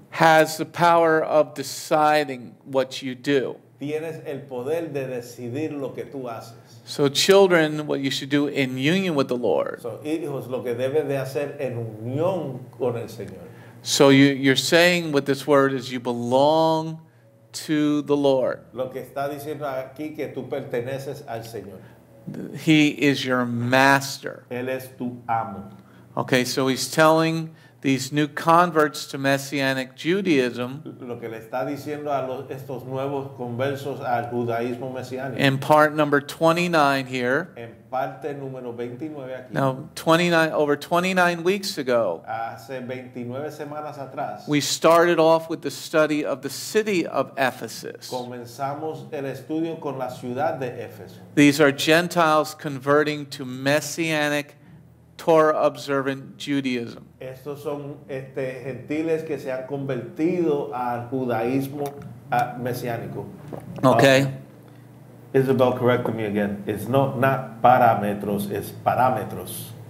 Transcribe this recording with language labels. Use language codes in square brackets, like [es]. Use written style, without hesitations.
[en] has the power of deciding what you do. [es] Tienes el poder de decidir lo que tú haces. [en] So children, what you should do in union with the Lord. [es] So hijos, lo que debes de hacer en unión con el Señor. [en] So you're saying with this word is you belong to the Lord. [es] Lo que está diciendo aquí que tú perteneces al Señor. [en] He is your master. [es] Él es tu amo. [en] Okay, so he's telling these new converts to Messianic Judaism. [es] Lo que le está diciendo a estos nuevos conversos al judaísmo mesiánico. [en] In part number 29 here. [es] En parte número 29 aquí. [en] Now, 29 over 29 weeks ago. [es] Hace 29 semanas atrás. [en] We started off with the study of the city of Ephesus. [es] Comenzamos el estudio con la ciudad de Éfeso. [en] These are Gentiles converting to Messianic Torah observant Judaism. [es] Estos son gentiles que se han convertido al judaísmo mesiánico. [en] Okay. Isabel, correct me again. It's not parámetros, it's parámetros.